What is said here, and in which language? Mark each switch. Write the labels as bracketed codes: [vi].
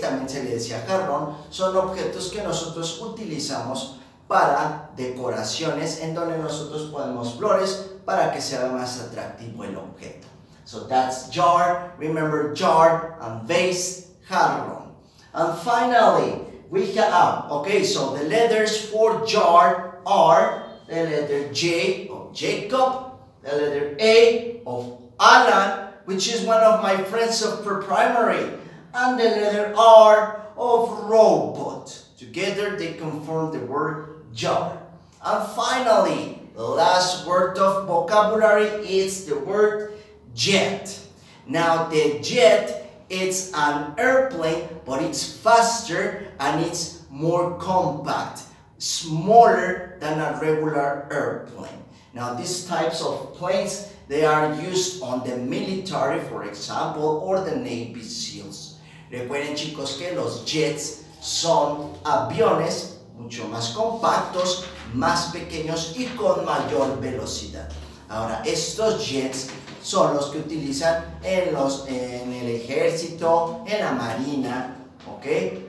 [es] También se le decía jarrón, son objetos que nosotros utilizamos para decoraciones en donde nosotros ponemos flores para que sea más atractivo el objeto. [en] So that's jar, remember jar and vase, jarrón. And finally, we have, okay, so the letters for jar are the letter J of Jacob, the letter A of Alan, which is one of my friends of pre-primary, and the letter R of robot. Together, they confirm the word jar. And finally, the last word of vocabulary is the word jet. Now, the jet, it's an airplane, but it's faster and it's more compact, smaller than a regular airplane. Now, these types of planes, they are used on the military, for example, or the Navy SEALs. [es] Recuerden, chicos, que los jets son aviones mucho más compactos, más pequeños y con mayor velocidad. Ahora, estos jets son los que utilizan en el ejército, en la marina, ¿ok?